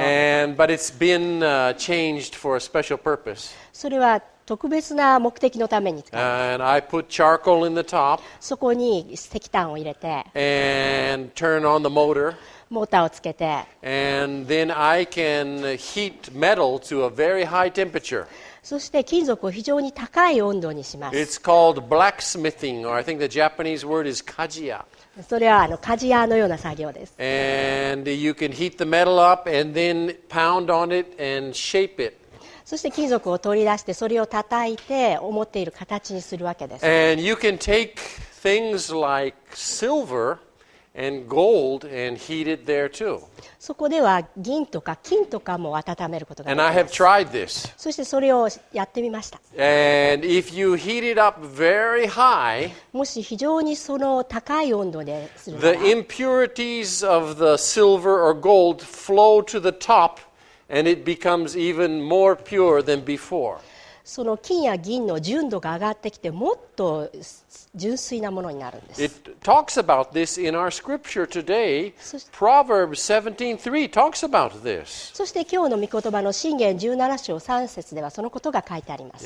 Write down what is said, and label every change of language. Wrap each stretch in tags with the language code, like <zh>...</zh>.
<en>But it's been changed for a special purpose.</en> <ja>それは特別な目的のために使います。</ja> <en>And I put charcoal in the top.</en> <ja>そこに石炭を入れて。</ja> <en>And turn on the motor.</en> <ja>モーターをつけて。</ja> <en>And then I can heat metal to a very high temperature.</en> <ja>そして金属を非常に高い温度にします。</ja> <en>It's called blacksmithing, or I think the Japanese word is kajiya.</en> <ja>それは鍛冶屋のような作業です。</ja> <en>And you can heat the metal up and then pound on it and shape it.</en> <ja>そして金属を取り出してそれを叩いて思っている形にするわけです。</ja> <en>And you can take things like silver and gold and heat it there too.</en> <ja>そこでは銀とか金とかも温めることができます。</ja> <en>And I have tried this.</en> <ja>そしてそれをやってみました。</ja> <en>And if you heat it up very high,</en> <ja>もし非常にその高い温度でするなら、</ja> <en>the impurities of the silver or gold flow to the top. And it becomes even more pure than before.</en> <ja>その金や銀の純度が上がってきてもっと純粋なものになるんです。</ja> <en>It talks about this in our scripture today. Proverbs 17:3 talks about this.</en> <ja>そして今日の御言葉の箴言17章3節ではそのことが書いてあります。</ja>